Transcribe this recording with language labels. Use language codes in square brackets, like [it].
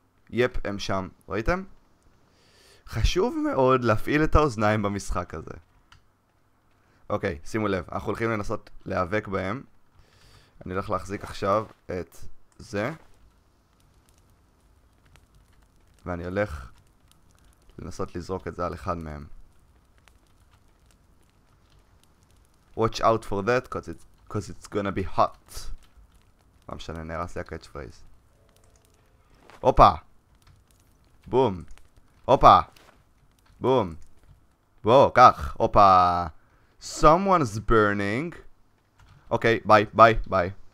[he] יפ, הם שם. ראיתם? חשוב מאוד להפעיל את האוזניים במשחק הזה. אוקיי, שימו לב. אנחנו הולכים לנסות להיאבק בהם. אני הולך להחזיק עכשיו את זה. ואני הולך לנסות לזרוק את זה על אחד מהם. [en] Watch out for that, cause it's gonna be hot. [he] לא משנה, נהרס לי הקאץ' פרייז. הופה! בום! הופה! בום! בוא, כך! הופה! [en] Someone's burning. אוקיי, ביי, ביי, ביי.